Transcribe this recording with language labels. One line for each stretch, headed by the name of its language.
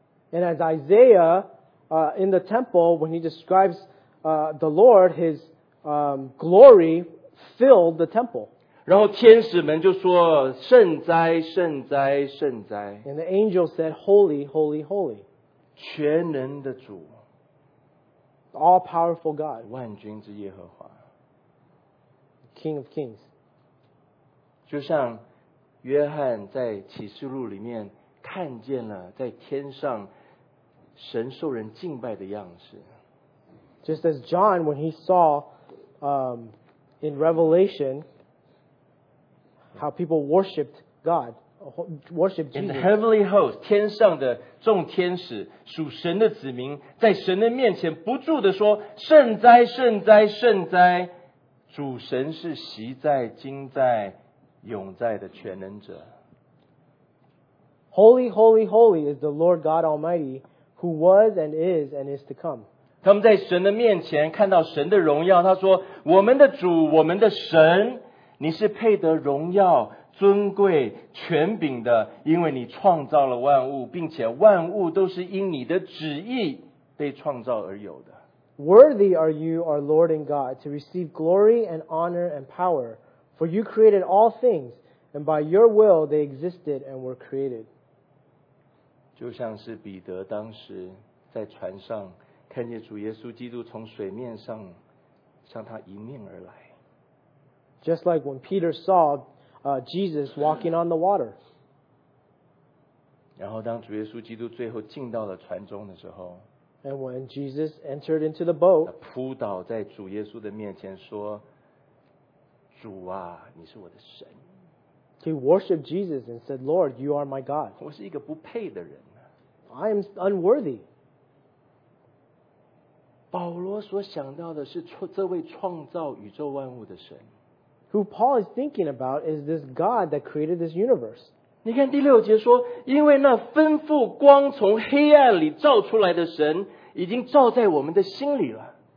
English: And as Isaiah, in the temple, when he describes the Lord, his glory filled the temple.
Chinese: 然后天使们就说圣哉圣哉圣哉。
English: And the angel said, holy, holy, holy.
Chinese: 全能的主。
English: All powerful God.
Chinese: 万军之耶和华。
English: King of kings.
Chinese: 就像约翰在启示录里面看见了在天上神受人敬拜的样式。
English: Just as John, when he saw, in Revelation, how people worshipped God, worshipped Jesus. In the heavenly host,
Chinese: 天上的众天使属神的子民在神的面前不住地说圣哉圣哉圣哉，主神是昔在今在永在的全能者。
English: Holy, holy, holy is the Lord God Almighty, who was and is and is to come.
Chinese: 他们在神的面前看到神的荣耀，他说我们的主，我们的神，你是配得荣耀尊贵权柄的，因为你创造了万物，并且万物都是因你的旨意被创造而有的。
English: Worthy are you, our Lord and God, to receive glory and honor and power, for you created all things, and by your will they existed and were created.
Chinese: 就像是彼得当时在船上看见主耶稣基督从水面上向他迎面而来。
English: Just like when Peter saw Jesus walking on the water.
Chinese: 然后当主耶稣基督最后进到了船中的时候，
English: And when Jesus entered into the boat,
Chinese: 他扑倒在主耶稣的面前说，主啊，你是我的神。
English: He worshipped Jesus and said, Lord, you are my God.
Chinese: 我是一个不配的人。
English: I am unworthy.
Chinese: 保罗所想到的是这位创造宇宙万物的神。
English: Who Paul is thinking about is this God that created this universe.
Chinese: 你看第六节说，因为那吩咐光从黑暗里照出来的神已经照在我们的心里了。